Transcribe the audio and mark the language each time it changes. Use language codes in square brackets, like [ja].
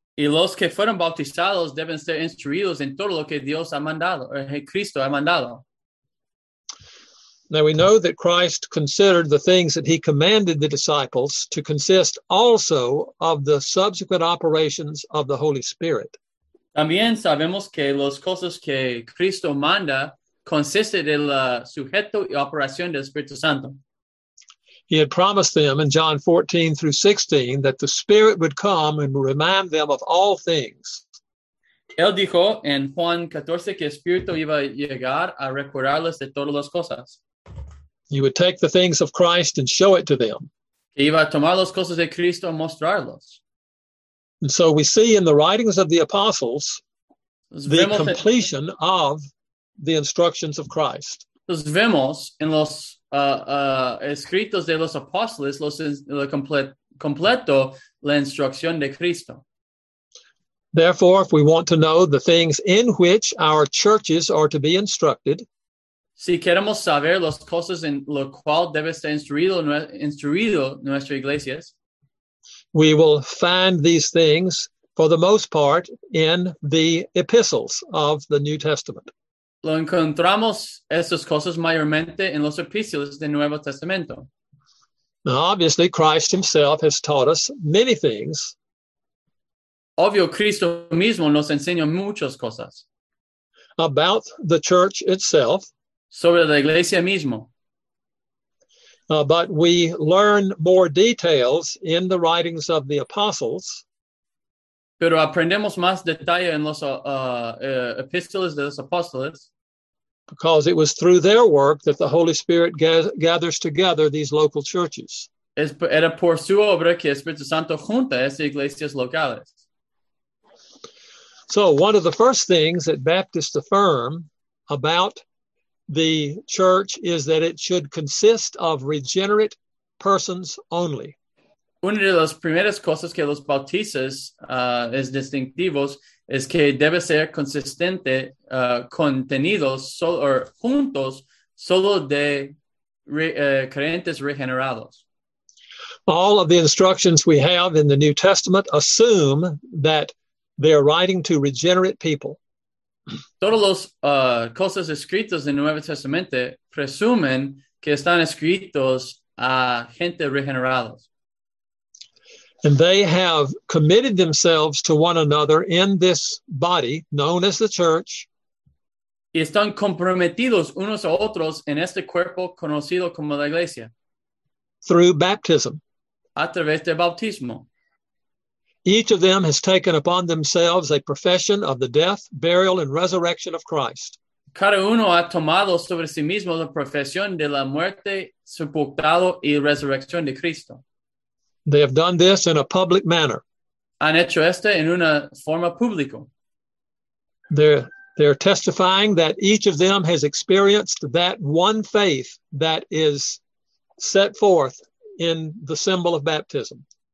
[es] Y los que fueron bautizados deben ser instruidos en todo lo que Dios ha mandado, o que Cristo ha mandado. [en] Now we know that Christ considered the things that he commanded the disciples to consist also of the subsequent operations of the Holy Spirit. [es] También sabemos que las cosas que Cristo manda consisten en el sujeto y operación del Espíritu Santo. [en] He had promised them in John 14 through 16 that the Spirit would come and remind them of all things. [es] Él dijo en Juan 14 que el Espíritu iba a llegar a recordarles de todas las cosas. [en] He would take the things of Christ and show it to them. [es] Que iba a tomar las cosas de Cristo y mostrarlos. [en] And so we see in the writings of the apostles the completion of the instructions of Christ. [es] Entonces vemos en los escritos de los apóstoles completo la instrucción de Cristo. [en] Therefore, if we want to know the things in which our churches are to be instructed, [es] si queremos saber las cosas en lo cual debe ser instruido nuestras iglesias, [en] we will find these things, for the most part, in the epistles of the New Testament. [es] Lo encontramos estas cosas mayormente en los epístolas del Nuevo Testamento. [en] Now, obviously, Christ himself has taught us many things. [es] Obvio, Cristo mismo nos enseña muchas cosas. [en] About the church itself. [es] Sobre la iglesia mismo. [en] But we learn more details in the writings of the apostles. [es] Pero aprendemos más detalle en los epístolas de los apóstoles. [en] Because it was through their work that the Holy Spirit gathers together these local churches. [es] Era por su obra que Espíritu Santo junta estas iglesias locales. [en] So one of the first things that Baptists affirm about the church is that it should consist of regenerate persons only. [es] Una de las primeras cosas que los bautistas es distintivos es que debe ser consistente contenidos solo o juntos solo de creyentes regenerados. [en] All of the instructions we have in the New Testament assume that they are writing to regenerate people. [es] Todos los cosas escritas en el Nuevo Testamento presumen que están escritos a gente regenerada. [en] And they have committed themselves to one another in this body known as the church. [es] Y están comprometidos unos a otros en este cuerpo conocido como la iglesia. [en] Through baptism. [es] A través del bautismo. [en] Each of them has taken upon themselves a profession of the death, burial, and resurrection of Christ. [es] Cada uno ha tomado sobre sí mismo la profesión de la muerte, sepultado, y resurrección de Cristo. [en] They have done this in a public manner. [es] Han hecho esto en una forma pública. [en] They're testifying that each of them has experienced that one faith that is set forth in the symbol of baptism.